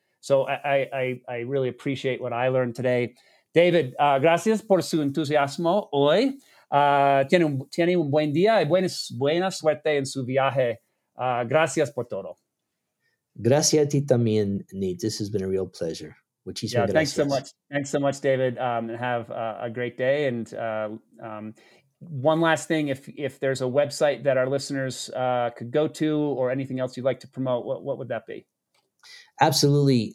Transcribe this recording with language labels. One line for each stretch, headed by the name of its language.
English: So I really appreciate what I learned today.
Spanish: David, gracias por su entusiasmo hoy. Tiene un buen día y buena suerte en su viaje. Gracias por todo. Gracias a ti también, Nate.
English: This has been a real pleasure.
Spanish: Muchísimas gracias.
English: Thanks so much. Thanks so much, David. And have a great day. And one last thing, if there's a website that our listeners could go to or anything else you'd like to promote, what would that be? Absolutely.